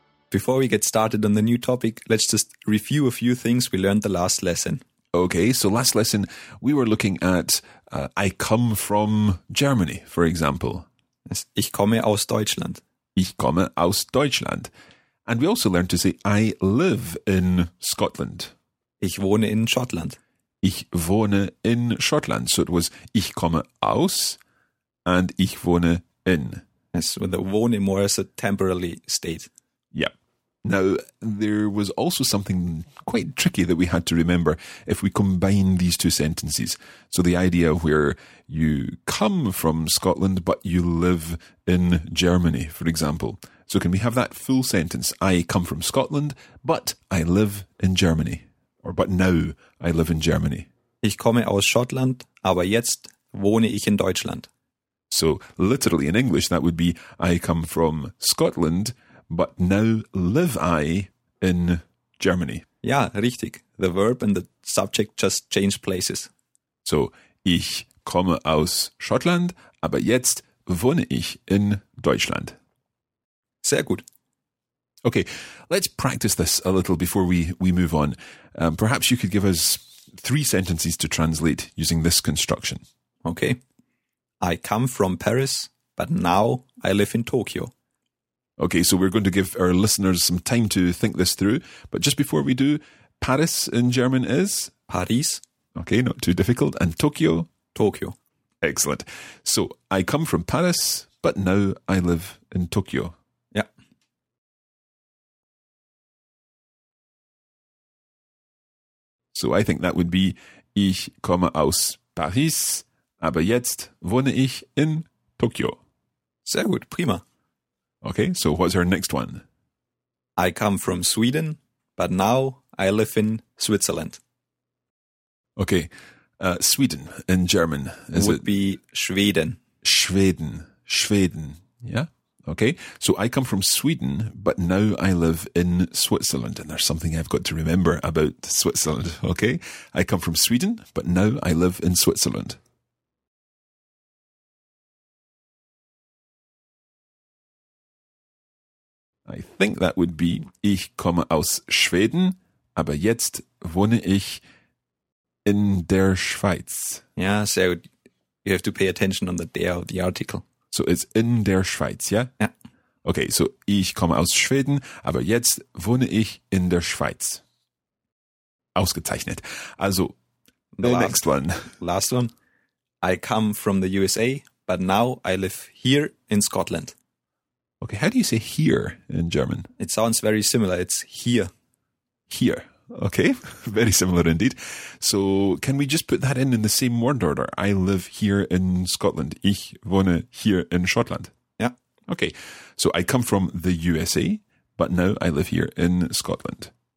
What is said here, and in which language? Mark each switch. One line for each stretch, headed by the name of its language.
English: Before we get started on the new topic, let's just review a few things we learned the last lesson. Okay, so last lesson, we were looking at I come from Germany, for example.
German: Ich komme aus Deutschland. Ich komme aus Deutschland.
English: And we also learned to say I live in Scotland.
German: Ich wohne in Schottland. Ich wohne in Schottland.
English: So it was
German: ich komme aus
English: and
German: ich wohne in.
English: Yes, with the
German: wohne
English: more as a temporary state. Yeah. Now, there was also something quite tricky that we had to remember if we combine these two sentences. So the idea where you come from Scotland but you live in Germany, for example. So can we have that full sentence? I come from Scotland, but I live in Germany. Or, but now I live in Germany.
German: Ich komme aus Schottland, aber jetzt wohne ich in Deutschland.
English: So, literally in English, that would be, I come from Scotland, but now live I in Germany.
German: Ja, richtig.
English: The verb and the subject just change places. So,
German: ich komme aus Schottland, aber jetzt wohne ich in Deutschland. Sehr gut.
English: Okay, let's practice this a little before we move on. Perhaps you could give us three sentences to translate using this construction. Okay. I come from Paris, but now I live in Tokyo. Okay, so we're going to give our listeners some time to think this through. But just before we do, Paris in German is? Paris. Okay, not too difficult. And Tokyo? Tokyo. Excellent. So I come from Paris, but now I live in Tokyo. So I think that would be,
German: ich komme aus Paris, aber jetzt wohne ich in Tokio. Sehr gut, prima.
English: Okay, so what's our next one? I come from Sweden, but now I live in Switzerland. Okay, Sweden in German. Is would it? Be Schweden. Schweden, Schweden, yeah. Okay, so I come from Sweden, but now I live in Switzerland. And there's something I've got to remember about Switzerland, okay? I come from Sweden, but now I live in Switzerland. I think that would be,
German: ich komme aus Schweden, aber jetzt wohne ich in der Schweiz.
English: Yeah, so you have to pay attention on the der of the article. So it's in der Schweiz, yeah? Yeah. Okay, so
German: ich komme aus Schweden, aber jetzt wohne ich in der Schweiz. Ausgezeichnet. Also,
English: The next one. Last one. I come from the USA, but now I live here in Scotland. Okay, how do you say here in German? It sounds very similar. It's here. Here. Okay, very similar indeed. So can we just put that in the same word order? I live here in Scotland.
German: Ich wohne hier in Schottland.
English: Yeah. Okay, so I come from the USA, but now I live here in Scotland.